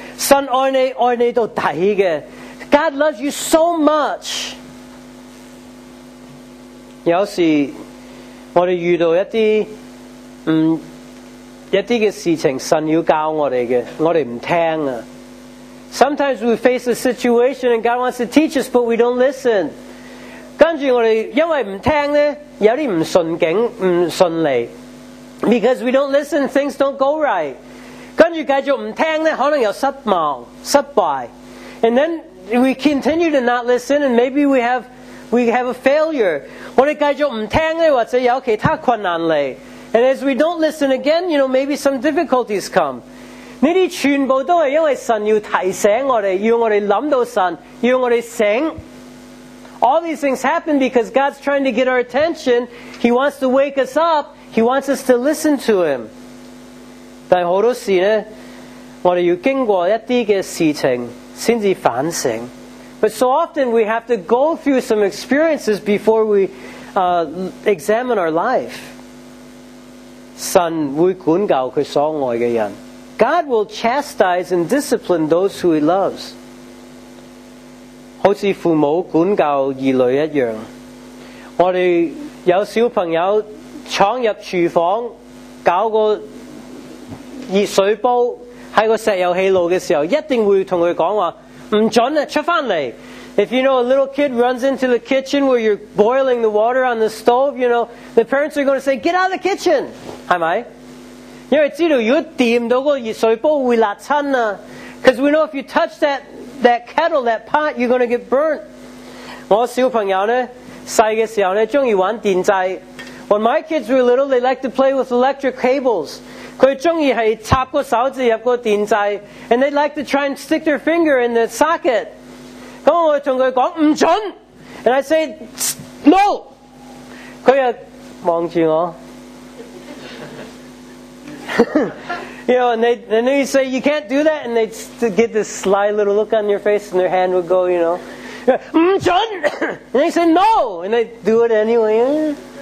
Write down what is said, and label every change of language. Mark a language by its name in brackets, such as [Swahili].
[Cantonese] 神爱你，爱你到底的。 [English] God loves you so much. [Cantonese] 有时我们遇到一些一些的事情，神要教我们的，我们不听。 [English] Sometimes we face a situation and God wants to teach us, but we don't listen. [Cantonese] 跟着我们因为不听呢，有点不顺境，不顺利。 [English] Because we don't listen, things don't go right. [Cantonese] 跟着继续不听呢，可能有失望，失败。 [English] And then,we continue to not listen, and maybe we have a failure. [Cantonese] 我哋继续唔听咧，或者有其他困难嚟。 [English] And as we don't listen again, you know, maybe some difficulties come. [Cantonese] 呢啲全部都系因为神要提醒我哋，要我哋谂到神，要我哋醒。 [English] All these things happen because God's trying to get our attention. He wants to wake us up. He wants us to listen to Him. [Cantonese] 但系好多时咧，我哋要经过一啲嘅事情。 [English] But so often we have to go through some experiences before we examine our life. [Cantonese] 神会管教他所爱的人。 [English] God will chastise and discipline those who He loves. [Cantonese] 好似父母管教儿女一样。我们有小朋友闯入厨房搞个热水煲在个石油气炉的时候，一定会跟他说，不准啊，出回来。 [English] If you know a little kid runs into the kitchen where you're boiling the water on the stove, you know, the parents are going to say, get out of the kitchen, [Cantonese] 是不是？因为知道如果碰到个热水煲会辣亲啊。 [English] Because we know if you touch that kettle, that pot, you're going to get burnt. [Cantonese] 我小朋友呢，小的时候呢，喜欢玩电掣。 [English] When my kids were little, they liked to play with electric cables. [Cantonese] 他喜欢是插个手指入个电掣， [English] and they like to try and stick their finger in the socket. [Cantonese] 咁我同佢讲唔准， [English] and I say no. [Cantonese] 佢又望住我， [English] you know, and then you say you can't do that, and they get this sly little look on your face, and their hand would go, you know, [Cantonese] 唔准， [English] and they say no, and they do it anyway.